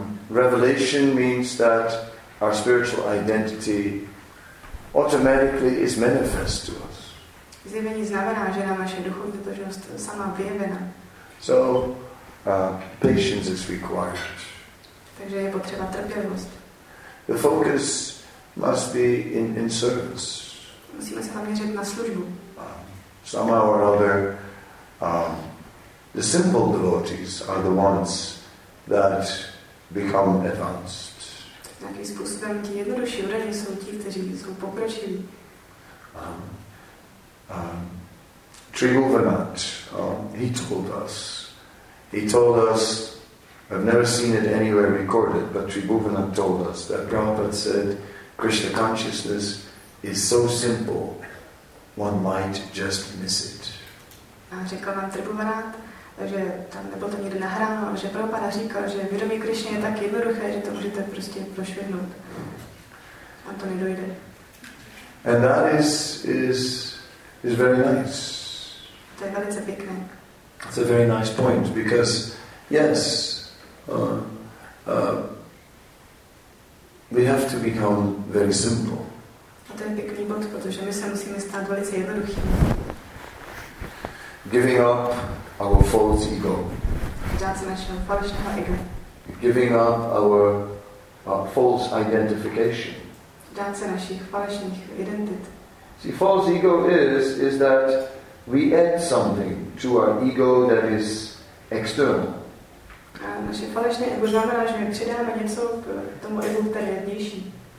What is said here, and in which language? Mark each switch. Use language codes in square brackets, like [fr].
[en] Revelation means that our spiritual identity automatically is manifest to us. [cs] Zjevení znamená, že nám naše duchovní totožnost sama vyjevena. [en] So patience is required. [cs] Takže je potřeba trpělivost. [en] The focus must be in service. [cs] Musíme se zaměřit na službu. [en] Somehow or other, the simple devotees are the ones that become advanced. [cs] Nějakým způsobem ti jednodušší udaní jsou ti, kteří jsou pokročili. [en] Trivovanat, he told us, I've never seen it anywhere recorded, but Trivovanat told us that Prabhupada said, Krishna consciousness is so simple, one might just miss it. [cs] A řekl vám Tribhuvanát, že tam nebylo to nikdy nahráno, že Prabhupada říkal, že vědomí Krišně je tak jednoduché, že to můžete prostě prošvihnout. A to nedojde. [en] And that is very nice. [cs] To je velice pěkné. [en] It's a very nice point, because yes, we have to become very simple. [cs] To je pěkný bod, protože my se musíme stát velice jednoduchými. [en] Giving up our false ego. [cs] Vzdát se našeho falešného ego. [en] Giving up our false identification. [cs] Vzdát se našich falešných identit. [en] See, false ego is that we add something to our ego that is external. [cs] A naše falešné ego znamená, že my přidáme něco k tomu ego, které je vnější.